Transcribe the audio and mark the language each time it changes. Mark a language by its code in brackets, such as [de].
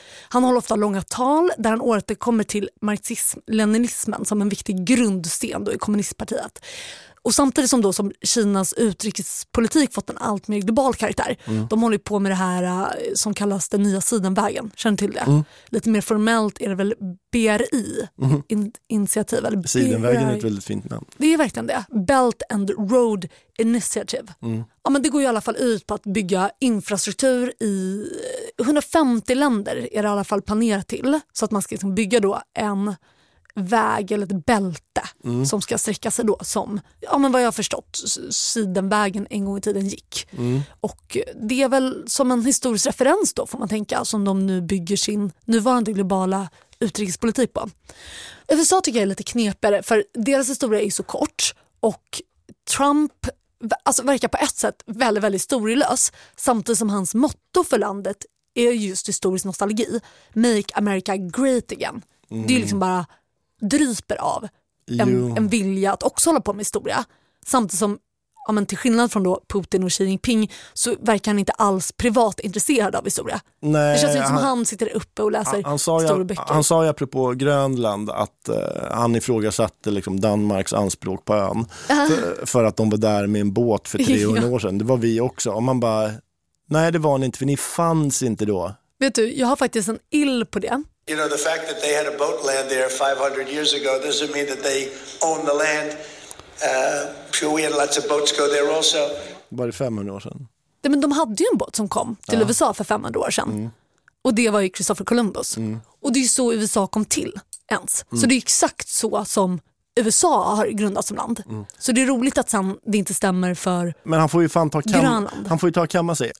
[sv] Han håller ofta långa tal där han återkommer till marxism-leninismen som en viktig grundsten då i kommunistpartiet. Och samtidigt som då som Kinas utrikespolitik fått en allt mer global karaktär, de håller på med det här som kallas den nya sidenvägen. Känner till det? Mm. Lite mer formellt är det väl BRI, initiativ. Eller sidenvägen är ett väldigt fint namn. Det är verkligen det. [en] Belt and Road Initiative. [sv] Mm. Ja, men det går i alla fall ut på att bygga infrastruktur i 150 länder är det i alla fall planerat till. Så att man ska liksom bygga då en väg eller ett bälte som ska sträcka sig då som, ja men vad jag har förstått, sidenvägen en gång i tiden gick. Mm. Och det är väl som en historisk referens då får man tänka som de nu bygger sin nuvarande globala utrikespolitik på. USA tycker jag är lite knepigare för deras historia är så kort och Trump alltså verkar på ett sätt väldigt, väldigt storylös samtidigt som hans motto för landet är just historisk nostalgi. [en] Make America great again. [sv] Mm. Det är liksom bara dryper av en vilja att också hålla på med historia. Samtidigt som, ja, men till skillnad från då Putin och Xi Jinping, så verkar han inte alls privat intresserad av historia. Nej, det känns inte som han sitter uppe och läser stora böcker. Han sa ju apropå Grönland att han ifrågasatte liksom Danmarks anspråk på ön för att de var där med en båt för 300 år sedan. Det var vi också. Och man bara, nej det var ni inte, för ni fanns inte då. Vet du, jag har faktiskt en ill på det. [en] You know, the fact that they had a boat land there 500 years ago doesn't mean that they own the land. Sure, we had lots of boats go there also. [sv] Var det 500 år sedan? Ja, men de hade ju en båt som kom till USA för 500 år sedan. Mm. Och det var ju Christopher Columbus. Mm. Och det är ju så USA kom till ens. Mm. Så det är exakt så som USA har grundats som land. Mm. Så det är roligt att sen det inte stämmer för Grönland. Men han får ju fan ta kamma sig.